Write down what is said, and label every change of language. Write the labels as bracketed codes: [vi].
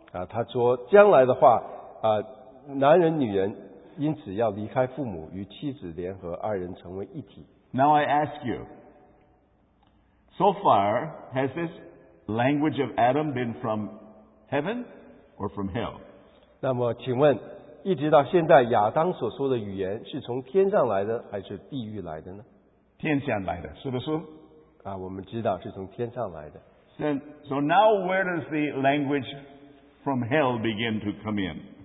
[zh] 他说将来的话，男人女人因此要离开父母，与妻子联合，二人成为一体。 [en] Now I ask you, so far has this language of Adam been from heaven or from hell? [zh] 那么请问 一直到现在亚当所说的语言是从天上来的还是地狱来的呢? 天上来的,是不是? 我们知道是从天上来的。 [en] So now where does the language from hell begin to come in?